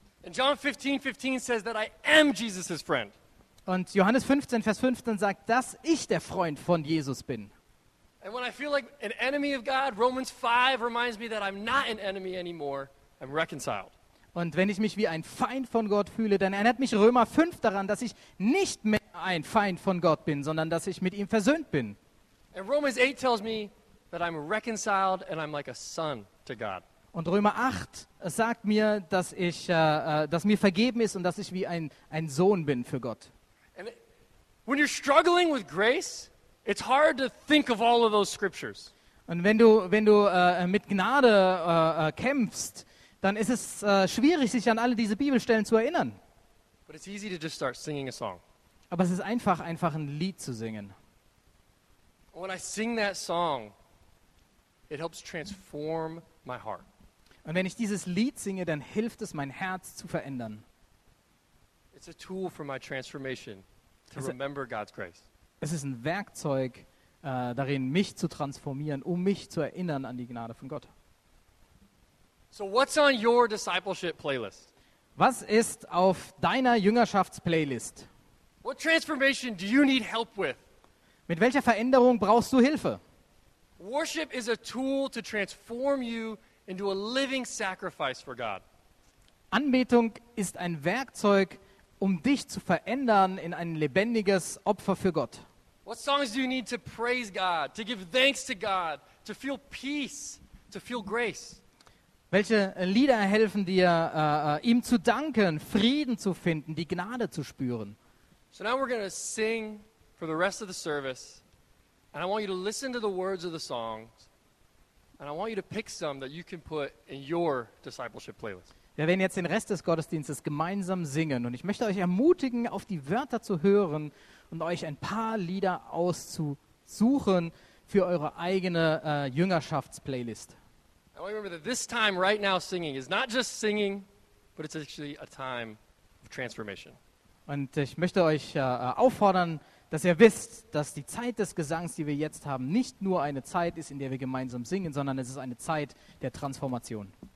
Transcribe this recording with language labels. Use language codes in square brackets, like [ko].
[en] And John 15:15 says that I am Jesus' friend. [de] Und Johannes 15, Vers 15 sagt, dass ich der Freund von Jesus bin. [en] And when I feel like an enemy of God, Romans 5 reminds me that I'm not an enemy anymore, I'm reconciled. [de] Und wenn ich mich wie ein Feind von Gott fühle, dann erinnert mich Römer 5 daran, dass ich nicht mehr ein Feind von Gott bin, sondern dass ich mit ihm versöhnt bin. [en] And Romans 8 tells me that I'm reconciled and I'm like a son to God. [de] Und Römer 8 sagt mir, dass ich dass mir vergeben ist und dass ich wie ein Sohn bin für Gott. [en] And when you're struggling with grace, it's hard to think of all of those scriptures. [de] Und wenn du mit Gnade kämpfst, dann ist es schwierig, sich an alle diese Bibelstellen zu erinnern. [en] But it's easy to just start singing a song. [de] Aber es ist einfach ein Lied zu singen. [en] When I sing that song, it helps transform my heart. [de] Und wenn ich dieses Lied singe, dann hilft es, mein Herz zu verändern. [en] It's a tool for my transformation to remember God's grace. [de] Es ist ein Werkzeug, darin mich zu transformieren, um mich zu erinnern an die Gnade von Gott. [en] So what's on your discipleship playlist? [de] Was ist auf deiner Jüngerschaftsplaylist? [en] What transformation do you need help with? [de] Mit welcher Veränderung brauchst du Hilfe? [en] Worship is a tool to transform you into a living sacrifice for God. [de] Anbetung ist ein Werkzeug, um dich zu verändern in ein lebendiges Opfer für Gott. [en] What songs do you need to praise God, to give thanks to God, to feel peace, to feel grace? [de] Welche Lieder helfen dir, ihm zu danken, Frieden zu finden, die Gnade zu spüren? [en] So now we're going to sing for the rest of the service, and I want you to listen to the words of the songs, and I want you to pick some that you can put in your discipleship playlist. [de] Wir werden jetzt den Rest des Gottesdienstes gemeinsam singen, und ich möchte euch ermutigen, auf die Wörter zu hören und euch ein paar Lieder auszusuchen für eure eigene Jüngerschaftsplaylist. [en] I want you to remember that this time right now singing is not just singing, but it's actually a time of transformation. [de] Und ich möchte euch auffordern, dass ihr wisst, dass die Zeit des Gesangs, die wir jetzt haben, nicht nur eine Zeit ist, in der wir gemeinsam singen, sondern es ist eine Zeit der Transformation.